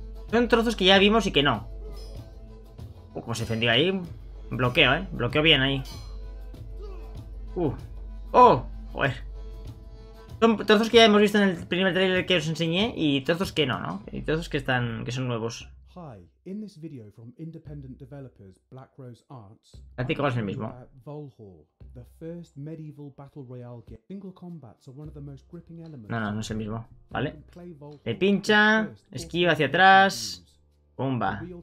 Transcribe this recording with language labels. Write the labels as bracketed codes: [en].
[es] Son trozos que ya vimos y que no. Como se defendió ahí. Bloqueo, ¿eh? Bloqueo bien ahí. ¡Oh! Joder. Son trozos que ya hemos visto en el primer trailer que os enseñé y trozos que no, ¿no? Y trozos que están, que son nuevos. [en] Hi, in this video from independent developers Black Rose Arts. [es] Es el mismo. [en] Valhall, the first medieval battle royale game. Single combats are one of the most gripping elements. [es] No, no, no es el mismo, ¿vale? Le pincha, esquiva hacia atrás, bomba.